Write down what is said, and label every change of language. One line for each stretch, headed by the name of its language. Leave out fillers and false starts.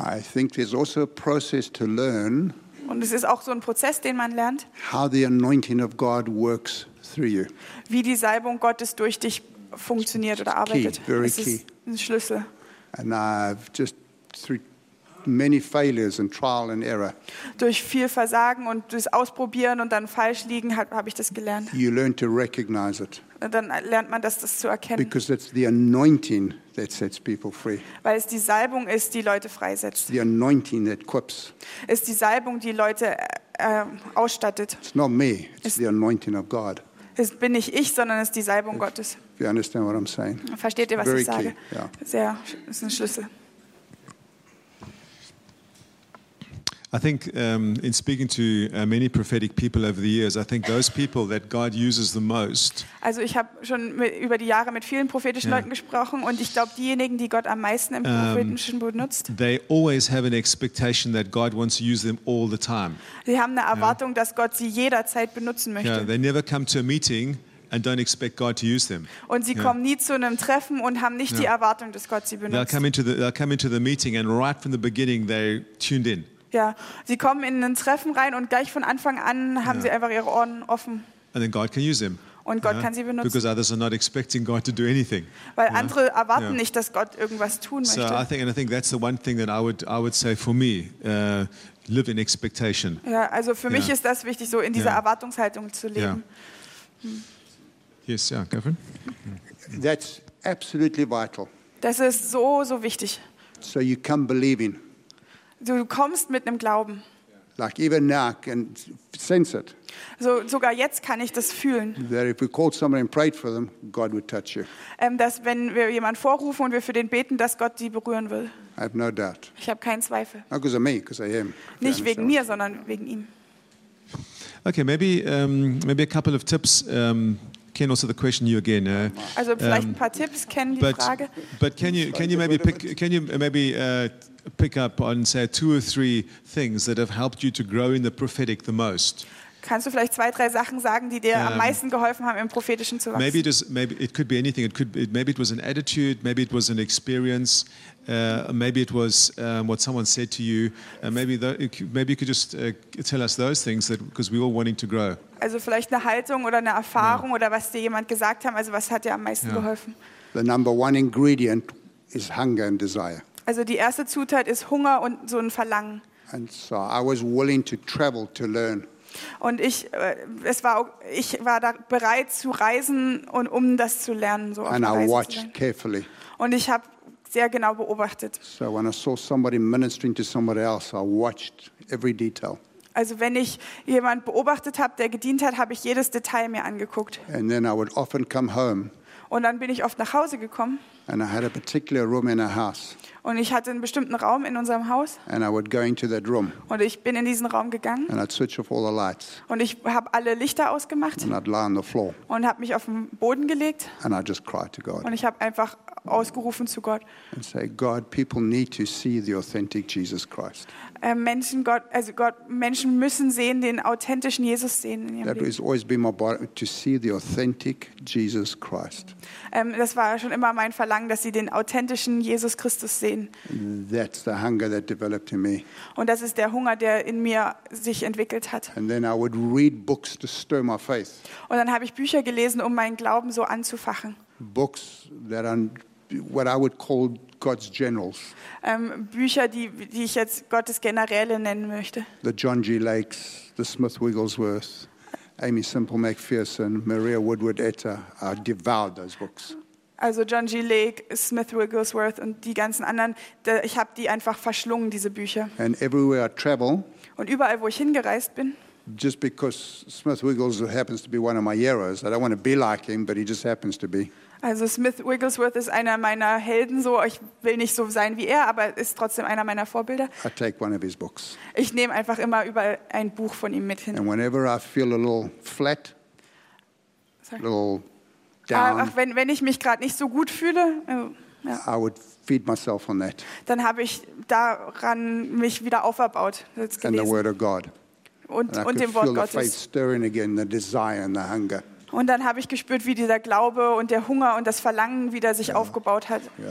English: I think there's also a process to learn,
German: und es ist auch so ein Prozess, den man lernt,
English: how the anointing of God works through you.
German: Wie die Salbung Gottes durch dich funktioniert oder arbeitet.
English: Very key.
German: Ein Schlüssel.
English: And I've just through many failures and trial and error.
German: Durch viel Versagen und das Ausprobieren und dann falsch liegen habe ich das gelernt.
English: You learn to recognize it.
German: Und dann lernt man das zu erkennen.
English: Because it's the anointing that sets people free.
German: Weil es die Salbung ist, die Leute freisetzt.
English: The anointing that equips.
German: Ist die Salbung, die Leute ausstattet.
English: It's not me, it's the anointing of God.
German: Es bin nicht ich, sondern es ist die Salbung Gottes.
English: You understand what I'm saying?
German: Versteht ihr, was
English: very
German: ich sage?
English: Key, yeah.
German: Sehr, es ist ein Schlüssel.
English: I think in speaking to many prophetic people over the years, I think those people that God uses the most.
German: Also, ich habe schon über die Jahre mit vielen prophetischen Leuten gesprochen, und ich glaube, diejenigen, die Gott am meisten im prophetischen benutzt.
English: They always have an expectation that God wants to use them all the time.
German: Sie haben eine Erwartung, dass Gott sie jederzeit benutzen möchte.
English: Yeah, they never come to a meeting and don't expect God to use them.
German: Und sie kommen nie zu einem Treffen und haben nicht die Erwartung, dass Gott sie benutzt.
English: They'll come into the meeting and right from the beginning they tuned in.
German: Ja, sie kommen in ein Treffen rein und gleich von Anfang an haben sie einfach ihre Ohren offen.
English: And then God can use them.
German: Und Gott kann sie benutzen.
English: Because others are not expecting God to do anything.
German: Weil andere erwarten nicht, dass Gott irgendwas tun möchte.
English: So I think that's the one thing that I would say for me, live in expectation.
German: Ja, also für mich ist das wichtig, so in dieser Erwartungshaltung zu leben.
English: Yes, yeah, Kevin. That's absolutely vital.
German: Das ist so, so wichtig.
English: So you come believing.
German: Du kommst mit einem Glauben.
English: Like even now, can sense it.
German: So sogar jetzt kann ich das fühlen.
English: That if we called somebody and prayed for them, God would touch you.
German: Dass wenn wir jemanden vorrufen und wir für den beten, dass Gott sie berühren will.
English: I have no doubt.
German: Ich habe keinen Zweifel.
English: Not because of me, because I am.
German: Nicht wegen mir, sondern wegen ihm.
English: Okay, maybe a couple of tips. Ken, also the question you again.
German: Also vielleicht ein paar Tipps, Ken, die Frage.
English: But can you maybe pick up on say two or three things that have helped you to grow in the prophetic the most?
German: Kannst du vielleicht zwei, drei Sachen sagen, die dir am meisten geholfen haben, im Prophetischen zu wachsen?
English: Maybe it could be anything. Maybe it was an attitude. Maybe it was an experience. Maybe it was what someone said to you. Maybe you could just tell us those things, because we're all wanting to grow.
German: Also vielleicht eine Haltung oder eine Erfahrung oder was dir jemand gesagt haben. Also was hat dir am meisten geholfen?
English: The number one ingredient is hunger and desire.
German: Also die erste Zutat ist Hunger und so ein Verlangen.
English: And so I was willing to travel to learn.
German: Und ich war da bereit zu reisen und das zu lernen, so auf Reisen.
English: And I watched carefully.
German: Und ich habe sehr genau beobachtet.
English: So when I saw somebody ministering to somebody else, I watched every detail.
German: Also wenn ich jemand beobachtet habe, der gedient hat, habe ich jedes Detail mir angeguckt.
English: And then I would often come home.
German: Und dann bin ich oft nach Hause gekommen.
English: And I had a particular room in a house.
German: Und ich hatte einen bestimmten Raum in unserem Haus.
English: And I would go into that room.
German: Und ich bin in diesen Raum gegangen.
English: And I'd switch off all the lights.
German: Und ich habe alle Lichter ausgemacht.
English: And I'd lie on the floor.
German: Und habe mich auf den Boden gelegt.
English: And I just cried to God.
German: Und ich habe einfach ausgerufen zu Gott.
English: And say, God, people need to see the authentic Jesus Christ.
German: Menschen müssen sehen, den authentischen Jesus sehen in ihrem Leben.
English: That has always been my body, to see the authentic Jesus Christ.
German: Das war schon immer mein Verlangen, dass sie den authentischen Jesus Christus sehen.
English: That's the hunger that developed in me.
German: Und das ist der Hunger, der in mir sich entwickelt hat.
English: And then I would read books to stir my faith.
German: Und dann habe ich Bücher gelesen, um meinen Glauben so anzufachen.
English: Books that are what I would call God's generals.
German: Bücher, die ich jetzt Gottes Generäle nennen möchte.
English: The John G. Lakes, the Smith Wigglesworth, Amy Simple McPherson, Maria Woodward Etter, I devoured those books.
German: Also John G. Lake, Smith Wigglesworth und die ganzen anderen, ich habe die einfach verschlungen, diese Bücher.
English: And everywhere I travel,
German: und überall, wo ich hingereist bin,
English: just because Smith Wigglesworth happens to be one of my heroes, I don't want to be like him, but he just happens to be.
German: Also Smith Wigglesworth ist einer meiner Helden, so ich will nicht so sein wie er, aber ist trotzdem einer meiner Vorbilder.
English: I take one of his books.
German: Ich nehme einfach immer überall ein Buch von ihm mit hin.
English: And whenever I feel a little flat, little down,
German: wenn ich mich gerade nicht so gut fühle,
English: I would feed myself on that.
German: Dann habe ich daran mich wieder aufgebaut.
English: And the word of God.
German: Und dem Wort Gottes.
English: And I could feel the faith stirring again, the desire and the hunger.
German: Und dann habe ich gespürt, wie dieser Glaube und der Hunger und das Verlangen wieder sich aufgebaut hat.